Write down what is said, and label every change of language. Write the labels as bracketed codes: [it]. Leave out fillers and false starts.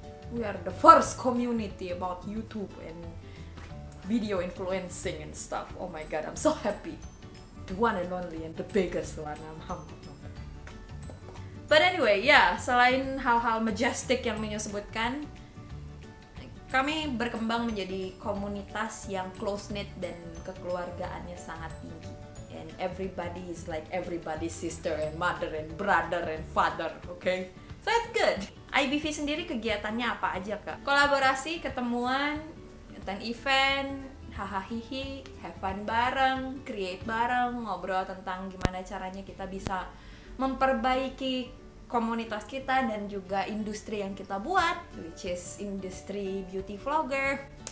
[en] We are the first community about YouTube and video influencing and stuff. Oh my god, I'm so happy. The one and only and the biggest one. I'm humble. But anyway, yeah, [id] selain hal-hal majestic yang Minyo sebutkan, kami berkembang menjadi komunitas yang close-knit dan kekeluargaannya sangat tinggi. [en] And everybody is like everybody's sister and mother and brother and father, okay? So that's good! [id] IBV sendiri kegiatannya apa aja, Kak? Kolaborasi, ketemuan, [en] attend event, [id] hahaha, [en] have fun [id] bareng, create bareng, ngobrol tentang gimana caranya kita bisa memperbaiki komunitas kita dan juga industri yang kita buat, [en] which is [id] industri beauty vlogger.